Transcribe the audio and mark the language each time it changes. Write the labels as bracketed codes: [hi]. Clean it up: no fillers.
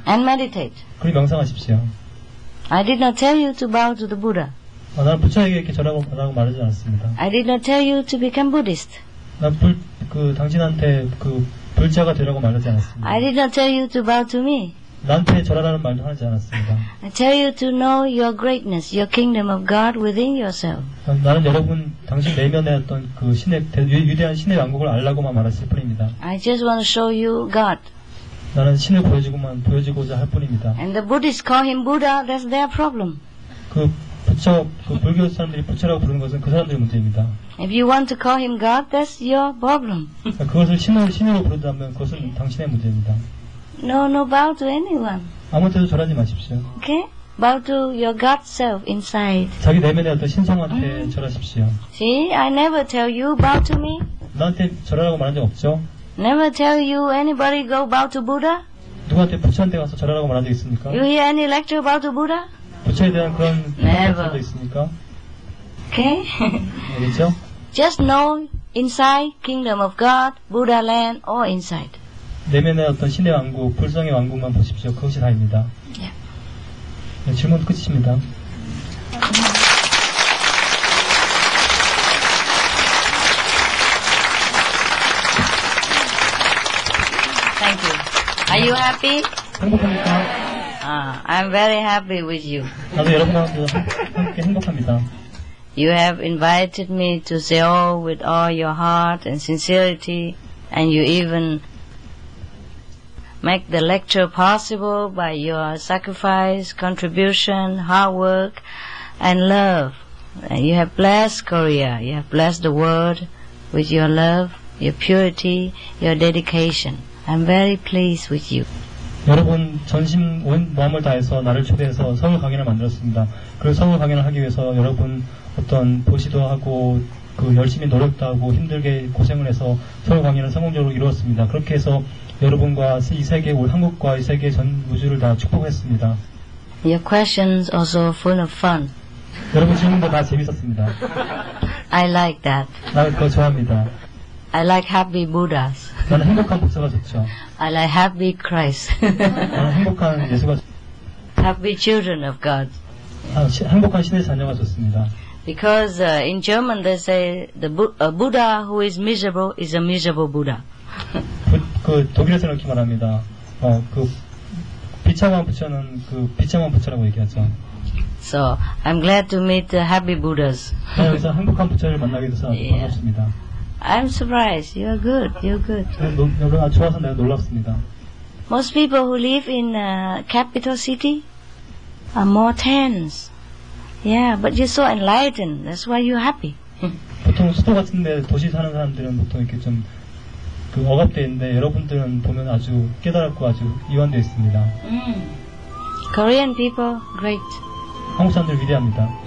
[en] And meditate. [ko] 그리고 명상하십시오. [en] I did not tell you to bow to the Buddha. [ko] 아, 나는 부처에게 이렇게 절하고 말하지 않았습니다. [en] I did not tell you to become Buddhist. [ko] 당신한테 그 불자가 되라고 말하지 않았습니다. [en] I did not tell you to bow to me. [ko] 나한테 절하라는 말도 하지 않았습니다. [en] I tell you to know your greatness, your kingdom of God within yourself. [ko] 나는 여러분 당신 내면의 어떤 그 신의 위대한 신의 왕국을 알라고만 말했을 뿐입니다. [en] I just want to show you God. [ko] 나는 신을 보여주고자 할 뿐입니다. [en] And the Buddhists call him Buddha. That's their problem. [ko] 그 불교 사람들이 부처라고 부르는 것은 그 사람들의 문제입니다. [en] If you want to call him God, that's your problem. [ko] 그것을 신으로 부른다면 그것은 당신의 문제입니다. [en] No, bow to anyone. [ko] 아무한테도 절하지 마십시오. [en] Okay, bow to your God self inside. [ko] 자기 내면의 어떤 신성한테 절하십시오. [en] See, I never tell you bow to me. [ko] 나한테 절하라고 말한 적 없죠. [en] Never tell you anybody go bow to Buddha? [ko] 누구한테 부처한테 가서 절하라고 말한 적 있습니까? [en] You hear any lecture bow to Buddha? [ko] 부처에 대한 그런 말씀도 있습니까? [en] Okay. [ko] 알겠죠? [en] Just know inside kingdom of God, Buddha land or inside. [ko] 내면의 어떤 신의 왕국, 불성의 왕국만 보십시오. 그것이 다입니다. [en] Yeah. [ko] 네, 질문 끝입니다. [en] Are you happy? [ko] 행복합니까? [en] I'm very happy with you. [ko] 나도 여러분과 함께 행복합니다. [en] You have invited me to Seoul with all your heart and sincerity, and you even make the lecture possible by your sacrifice, contribution, hard work, and love. You have blessed Korea. You have blessed the world with your love, your purity, your dedication. I'm very pleased with you. [ko] 여러분 전심 온 마음을 다해서 나를 초대해서 성우 강연을 만들었습니다. 그 성우 강연을 하기 위해서 여러분 어떤 보시도 하고 그 열심히 노력도 하고 힘들게 고생을 해서 성우 강연을 성공적으로 이루었습니다. 그렇게 해서 여러분과 이 세계 올 한국과 이 세계 전 우주를 다 축복했습니다. [en] Your questions also full of fun. [ko] 여러분 질문도 다 재밌었습니다. [en] I like that. [ko] 나 그거 좋아합니다. [en] I like happy Buddhas. [ko] 나는 행복한 부처가 좋죠. [en] I like happy Christ. [ko] 나는 행복한 예수가 [en] happy children of God. [ko] 행복한 신의 자녀가 좋습니다. [en] Because in German they say the Buddha who is miserable is a miserable Buddha. [ko] 그 독일에서는 이렇게 말합니다. 그 비참한 부처는 그 비참한 부처라고 얘기하죠. [en] So I'm glad to meet the happy Buddhas. [ko] 여기서 행복한 부처를 만나게 돼서 반갑습니다. [en] I'm surprised. You're good. You're good. [ko] 여러분 좋아서 내가 놀랐습니다. [en] Most people who live in a capital city are more tense. Yeah, but you're so enlightened. That's why you're happy. [ko] 보통 수도 같은데 도시 사는 사람들은 보통 이렇게 좀 그 억압돼 있는데 여러분들은 보면 아주 깨달았고 아주 이완돼 있습니다. [en] Korean people, great. [ko] 한국 사람들 위대합니다.